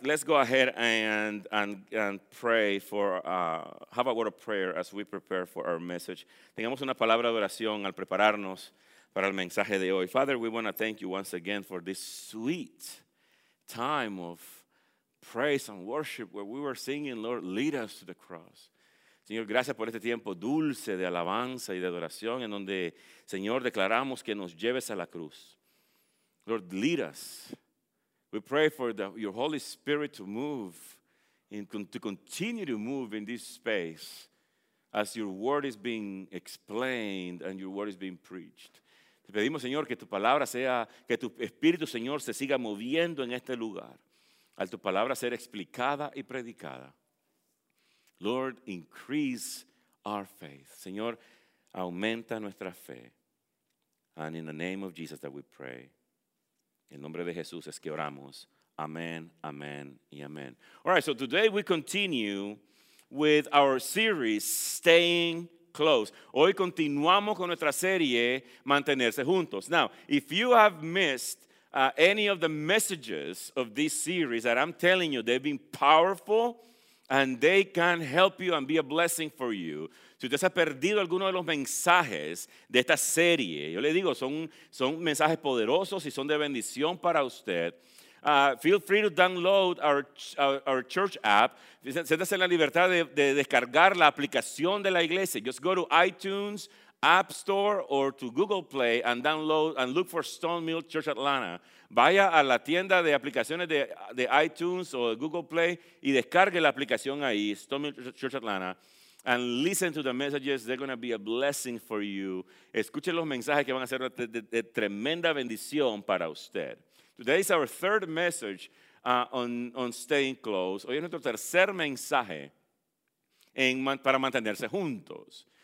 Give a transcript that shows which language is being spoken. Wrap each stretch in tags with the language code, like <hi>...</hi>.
<en>let's go ahead and pray for, have a word of prayer as we prepare for our message.</en> <es>Tengamos una palabra de oración al prepararnos para el mensaje de hoy.</es> <en>Father, we want to thank you once again for this sweet time of praise and worship where we were singing, Lord, lead us to the cross.</en> <es>Señor, gracias por este tiempo dulce de alabanza y de adoración en donde, Señor, declaramos que nos lleves a la cruz.</es> <en>Lord, lead us. We pray for your Holy Spirit to move and to continue to move in this space as your word is being explained and your word is being preached.</en> <es>Te pedimos, Señor, que tu palabra sea, que tu espíritu, Señor, se siga moviendo en este lugar, al tu palabra ser explicada y predicada.</es> <en>Lord, increase our faith.</en> <es>Señor, aumenta nuestra fe.</es> <en>And in the name of Jesus that we pray.</en> <es>En nombre de Jesús es que oramos. Amén, amén y amén.</es> <en>All right, so today we continue with our series, Staying Close.</en> <es>Hoy continuamos con nuestra serie, Mantenerse Juntos.</es> <en>Now, if you have missed any of the messages of this series that I'm telling you, they've been powerful and they can help you and be a blessing for you.</en> <es>Si usted se ha perdido alguno de los mensajes de esta serie, yo le digo, son mensajes poderosos y son de bendición para usted.</es> <en>Feel free to download our church app.</en> <es>Siéntase en la libertad de descargar la aplicación de la iglesia.</es> <en>Just go to iTunes, App Store, or to Google Play and download and look for Stone Mill Church Atlanta.</en> <es>Vaya a la tienda de aplicaciones de iTunes o Google Play y descargue la aplicación ahí, Stone Mill Church Atlanta.</es> <en>And listen to the messages, they're going to be a blessing for you.</en> <es>Escuche los mensajes que van a ser de tremenda bendición para usted.</es> <en>Today is our third message on staying close.</en> <es>Hoy es nuestro tercer mensaje para mantenerse juntos.</es>